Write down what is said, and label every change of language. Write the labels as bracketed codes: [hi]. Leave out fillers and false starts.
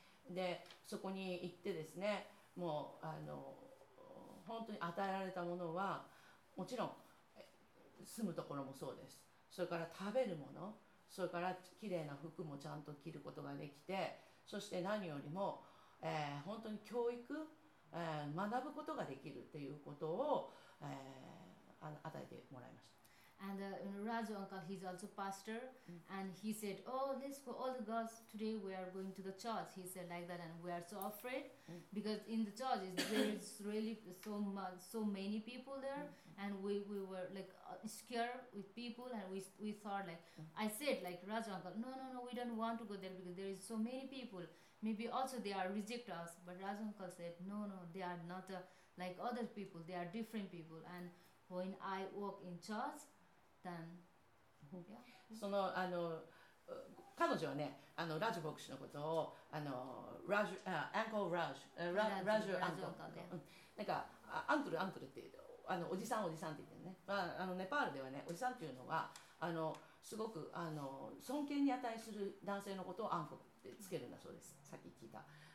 [ja] で、そこに行ってですね、もう本当に与えられたものはもちろん住むところもそうです。それから食べるもの、それから綺麗な服もちゃんと着ることができて、そして何よりも、本当に教育、学ぶことができるということを、与えてもらいました。 [en] And Raju uncle, he's also pastor, and he said, "Oh, this for all the girls today, we are going to the church." He said like that, and we are so afraid because in the church there is really so many people there, and we were like scared with people, and we thought like, I said like Raju uncle, no, we don't want to go there because there is so many people. Maybe also they are reject us, but Raju uncle said, no, they are not like other people. They are different people, and when I walk in church. [ja] その彼女はね、ラジュ牧師のことをラジュアンコールラジュラジュアンコール、なんかアンクルアンクルって言うおじさんおじさんって言ってね、まあネパールではね、おじさんっていうのはすごく尊敬に値する男性のことをアンコールってつけるんだそうです。さっき聞いた。